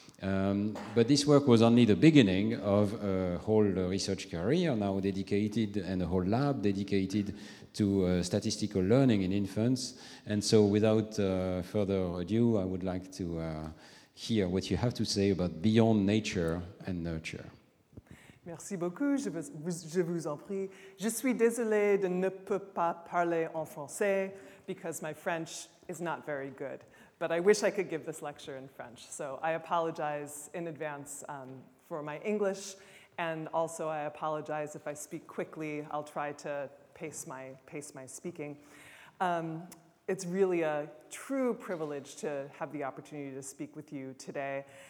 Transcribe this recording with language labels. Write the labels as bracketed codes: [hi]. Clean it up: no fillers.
[en] But this work was only the beginning of a whole research career now dedicated, and a whole lab dedicated to statistical learning in infants. And so without further ado, I would like to hear what you have to say about beyond nature and nurture. [fr] Merci beaucoup, je vous en prie. Je suis désolée de ne pas parler en français [en] because my French is not very good. But I wish I could give this lecture in French. So I apologize in advance for my English. And also I apologize if I speak quickly. I'll try to pace my speaking. It's really a true privilege to have the opportunity to speak with you today.